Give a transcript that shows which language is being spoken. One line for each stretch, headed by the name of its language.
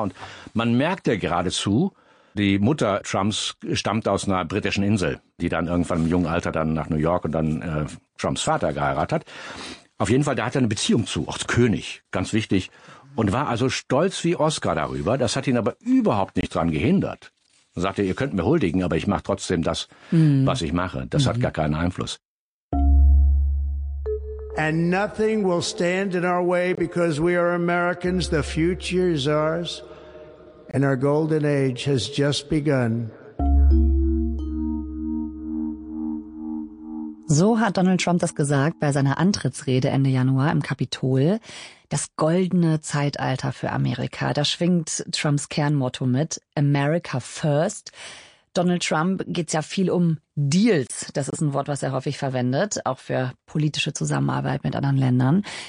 German: Und man merkt ja geradezu, die Mutter Trumps stammt aus einer britischen Insel, die dann irgendwann im jungen Alter dann nach New York und dann Trumps Vater geheiratet hat. Auf jeden Fall, da hat er eine Beziehung zu, auch zu König, ganz wichtig. Und war also stolz wie Oscar darüber. Das hat ihn aber überhaupt nicht dran gehindert. Er sagte, ihr könnt mir huldigen, aber ich mache trotzdem das, was ich mache. Das hat gar keinen Einfluss.
English: And nothing will stand in our way because we are Americans. The future is ours and our golden age has just begun.
German: So hat Donald Trump das gesagt bei seiner Antrittsrede Ende Januar im Kapitol. Das goldene Zeitalter für Amerika, da schwingt Trumps Kernmotto mit, America first. Donald Trump geht's ja viel um Deals, das ist ein Wort, was er häufig verwendet, auch für politische Zusammenarbeit mit anderen Ländern.